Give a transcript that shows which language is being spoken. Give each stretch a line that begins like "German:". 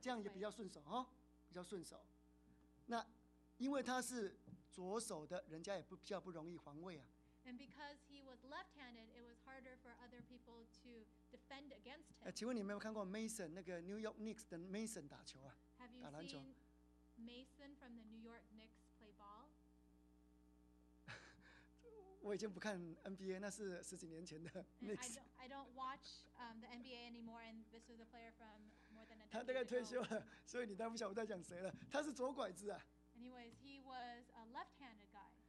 Chinese: 这样也比较顺手哈，比较顺手。那因为他是左手的，人家也比较不容易防卫啊。
English: And because he was left-handed, it was harder for other people to defend against him.
Chinese: 请问你有没有看过 Mason 那个 New York Knicks 的 Mason 打球啊？
English: Have you seen Mason from the New York Knicks play ball?
Chinese: 我已经不看 NBA， 那是十几年前的 Knicks.
English: I don't watch the NBA anymore, and this was a player from more than a decade.
Chinese: 他大概退休了，所以你当然不晓得我在讲谁了。他是左拐子啊。
English: Anyways, he was a left-handed guy.